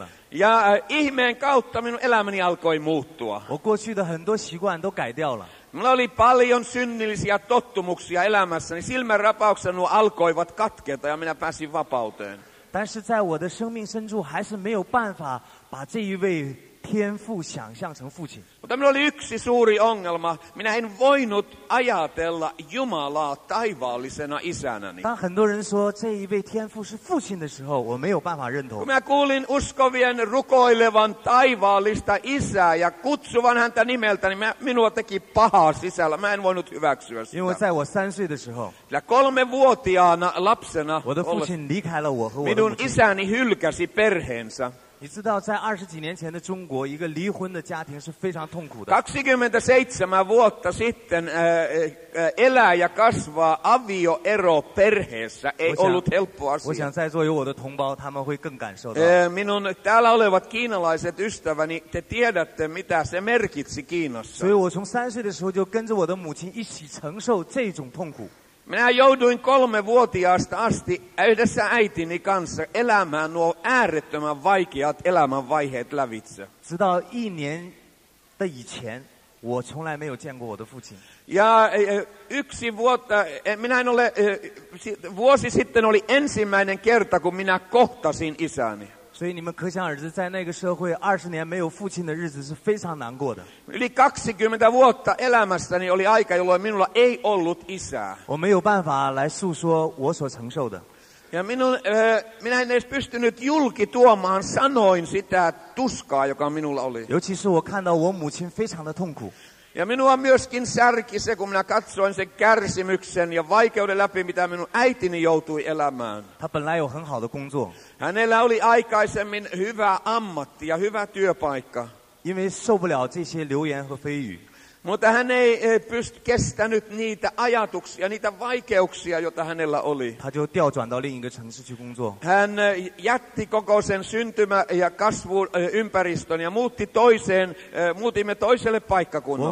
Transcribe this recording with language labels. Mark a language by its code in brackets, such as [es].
[fi] Ja ihmeen kautta minun elämäni alkoi muuttua. [zh] 我过去的很多习惯都改掉了。 [fi] Minulla oli paljon synnillisiä tottumuksia elämässäni. Silmän rapauksena nuo alkoivat katketa ja minä pääsin vapauteen. [zh] 但是在我的生命深处还是没有办法把这一位天父想象成父亲。 [fi] Mutta minulla oli yksi suuri ongelma. Minä en voinut ajatella Jumalaa taivaallisena isänäni. [zh] 当很多人说这一位天父是父亲的时候，我没有办法认同。 [fi] Kun minä kuulin uskovien rukoilevan taivaallista isää ja kutsuvan häntä nimeltäni, minua teki pahaa sisällä. Mä en voinut hyväksyä sitä. [zh] 因为在我三岁的时候， [fi] ja 3-vuotiaana lapsena, [zh] 我的父亲离开了我和我的母亲。 [fi] Minun isäni hylkäsi perheensä. [zh] 你知道在20几年前的中国一个离婚的家庭是非常痛苦的。 [fi] 27 vuotta sitten elää ja kasvaa avioero perheessä ei ollut helppo asia. [zh] 我想在座有我的同胞他们会更感受到。 [fi] Minun täällä olevat kiinalaiset ystäväni, te tiedätte mitä se merkitsi Kiinassa. [zh] 所以我从三岁的时候就跟着我的母亲一起承受这种痛苦。 [fi] Minä jouduin 3-vuotiaasta asti yhdessä äitini kanssa elämään nuo äärettömän vaikeat elämänvaiheet lävitse. [zh] 直到一年的以前，我从来没有见过我的父亲。 [fi] Ja 1 vuotta, minä en ole, vuosi sitten oli ensimmäinen kerta, kun minä kohtasin isäni. [zh] 所以你们可想而知，在那个社会，20年没有父亲的日子是非常难过的。 [fi] Yli 20 vuotta elämässäni oli aika, jolloin minulla ei ollut isää. [zh] 我没有办法来诉说我所承受的。 [fi] Ja minä en edes pystynyt julki tuomaan sanoin sitä tuskaa, joka minulla oli. [zh] 尤其是我看到我母亲非常的痛苦。 [fi] Ja minua myöskin särki se, kun minä katsoin sen kärsimyksen ja vaikeuden läpi, mitä minun äitini joutui elämään. [zh] 他本来有很好的工作。 [fi] Hänellä oli aikaisemmin hyvä ammatti ja hyvä työpaikka. [zh] 因为受不了这些流言和蜚语。 [fi] Mutta hän ei pysty kestänyt niitä ajatuksia, niitä vaikeuksia, joita hänellä oli. [zh] 他就调转到另一个城市去工作。 [fi] Hän jätti koko sen syntymä- ja kasvuympäristön ja muutti toiseen, muutimme toiselle paikkakunnalle.